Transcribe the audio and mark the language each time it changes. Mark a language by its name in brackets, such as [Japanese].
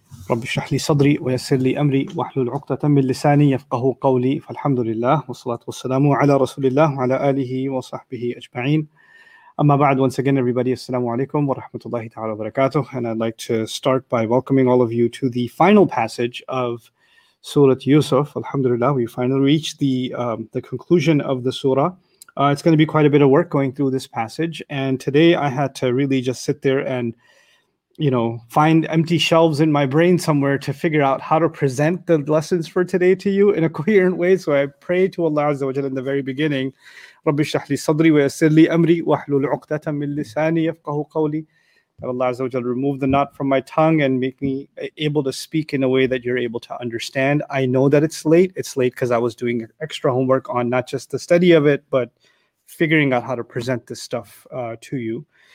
[Arabic] رب اشرح لي صدري ويسر لي أمري واحلل عقدة من لساني يفقه قولي. فالحمد لله والصلاة والسلام على رسول الله وعلى آله وصحبه أجمعين. [English] Amma ba'd, once again, everybody, assalamu alaikum wa rahmatullahi ta'ala wa barakatuh. And I'd like to start by welcoming all of you to the final passage of Surah Yusuf. Alhamdulillah, we finally reached the conclusion of the surah. It's going to be quite a bit of work going through this passage. And today I had to really just sit there and, you know, find empty shelves in my brain somewhere to figure out how to present the lessons for today to you in a coherent way. So I pray to Allah Azza wa Jalla in the very beginning, [Arabic] رَبِّ اشْرَحْ لِي صَدْرِي وَيَسِرْ لِي أَمْرِي وَحْلُلْ عُقْدَةً مِّن لِسَانِي يَفْقَهُ قَوْلِي. [English] May Allah Azza wa Jalla remove the knot from my tongue and make me able to speak in a way that you're able to understand. I know that it's late. It's late because I was doing extra homework on not just the study of it, but figuring out how to present this stuff to you.